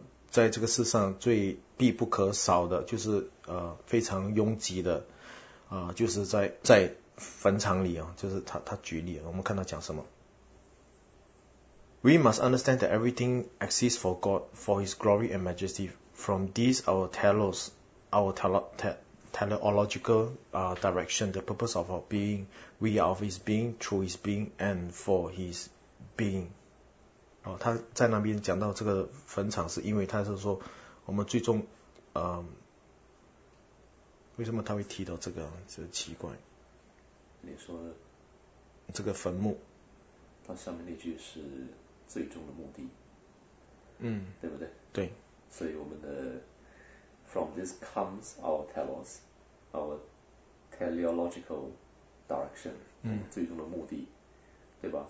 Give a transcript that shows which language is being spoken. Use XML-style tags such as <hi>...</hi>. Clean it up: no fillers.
<zh>在这个世上最必不可少的就是非常拥挤的就是在坟场里就是他举例，我们看他讲什么。</zh> <en>We must understand that everything exists for God, for His glory and majesty. From this, our teleological direction, the purpose of our being, we are of his being, through his being, and for his being.</en> <zh>他在那边讲到这个坟场是因为他是说我们最终，为什么他会提到这个？这奇怪，你说，这个坟墓，它上面那句是最终的目的，嗯，对不对？对。所以我们的</zh> <en>from this comes our telos, our teleological direction,</en> <zh>我们最终的目的，对吧？</zh>